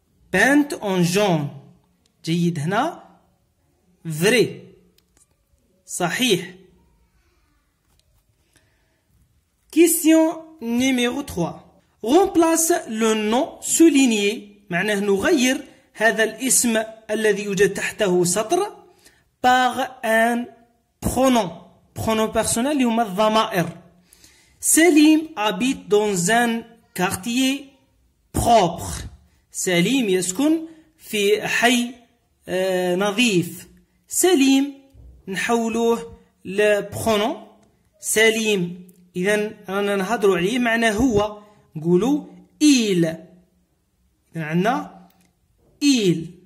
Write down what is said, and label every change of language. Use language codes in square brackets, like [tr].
[fr] Peinte en jaune. [ar] جيد هنا. [fr] Vrai. [ar] صحيح. [fr] Question numéro 3. Remplace le nom souligné. [ar] معناه نغير هذا الاسم الذي يوجد تحته سطر. [fr] Par un pronom, pronom personnel et le dhamair. Salim habite dans un quartier propre. [ar] Salim يسكن في حي نظيف. Salim نحولوه لبرونوم. Salim اذا رانا نهضروا عليه معناه هو. نقولوا il. اذا عندنا il.